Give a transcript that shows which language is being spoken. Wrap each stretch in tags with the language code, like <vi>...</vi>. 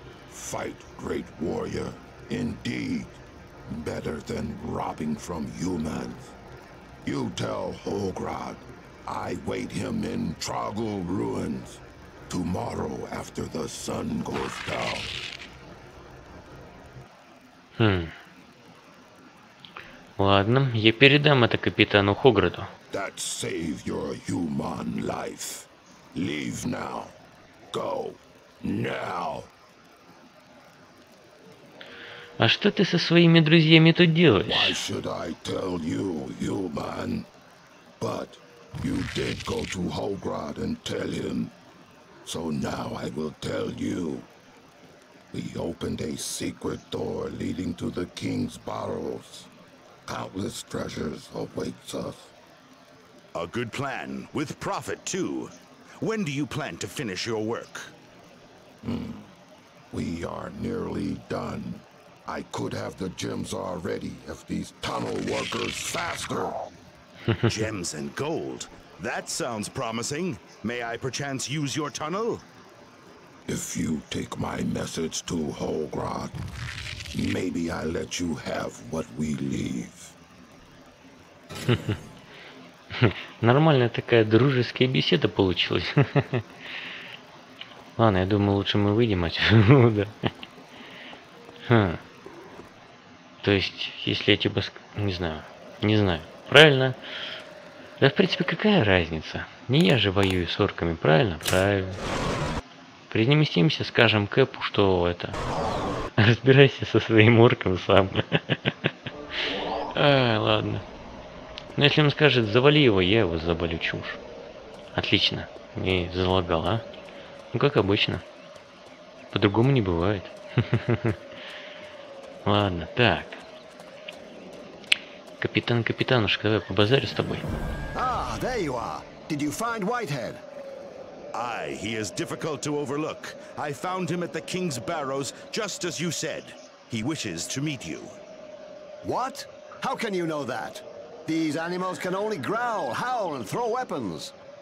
<en>Fight, great warrior, indeed. Better than robbing from humans. You tell Hograd, I wait him in Trogul ruins, tomorrow after the sun goes down.</en> <ru>Ладно, я передам это капитану Хограду.</ru> <en>That saved your human life. Leave now. Go. Now.</en> <ru>А что ты со своими друзьями тут делаешь?</ru> <en>Why should I tell you, human? But you did go to Hograd and tell him. So now I will tell you. We opened a secret door leading to the king's barrows. Countless treasures awaits us. A good plan, with profit too. When do you plan to finish your work? We are nearly done. I could have the gems already if these tunnel workers faster. Gems and gold? That sounds promising. May I perchance use your tunnel? If you take my message to Holgrod, maybe I let you have what we leave.</en> <ru>Нормальная такая дружеская беседа получилась. Ладно, я думаю, лучше мы выйдем отсюда. То есть, если я типа... Не знаю. Правильно? Да, в принципе, какая разница? Не я же воюю с орками, правильно? Правильно. Принеместимся, скажем Кэпу, что это... Разбирайся со своим орком сам. Ладно. Но если он скажет, завали его, я его завалю, чушь. Отлично. Не залагал, а? Ну, как обычно. По-другому не бывает. Ладно, так. Капитан, капитанушка, давай побазарю с тобой.</ru> <en>Ah, there you are. Did you find Whitehead? Aye, he is difficult to overlook. I found him at the King's Barrows, just as you said. He wishes to meet you. What? How can you know that? These animals can only growl, howl, and throw weapons.</en>